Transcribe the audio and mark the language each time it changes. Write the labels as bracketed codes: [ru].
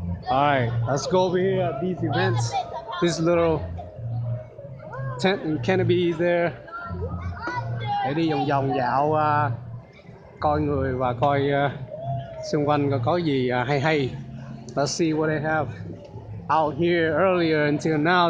[en] All right, let's go over here at these events. This little tent and canopy there. [vi] Để đi vòng vòng dạo coi người và coi xung quanh có gì hay hay. [en] Let's see what they have out here earlier until now.